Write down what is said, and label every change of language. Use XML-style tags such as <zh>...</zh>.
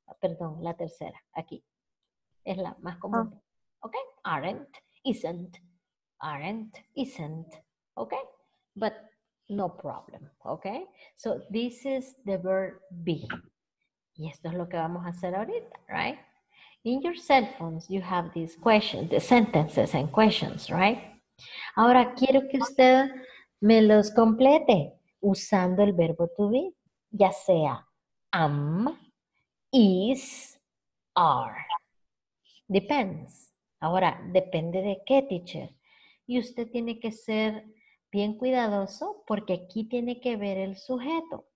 <es>Perdón, la tercera, aquí. Es la más común. ¿Ok? Aren't.</es> <en>Isn't, aren't, isn't, okay? But no problem, okay? So this is the verb be.</en> <es>Y esto es lo que vamos a hacer ahorita, right?</es> <en>In your cell phones, you have these questions, the sentences and questions, right?</en> <es>Ahora quiero que usted me los complete usando el verbo to be, ya sea am, is, are. Depends. Ahora, depende de qué, teacher. Y usted tiene que ser bien cuidadoso porque aquí tiene que ver el sujeto.</es>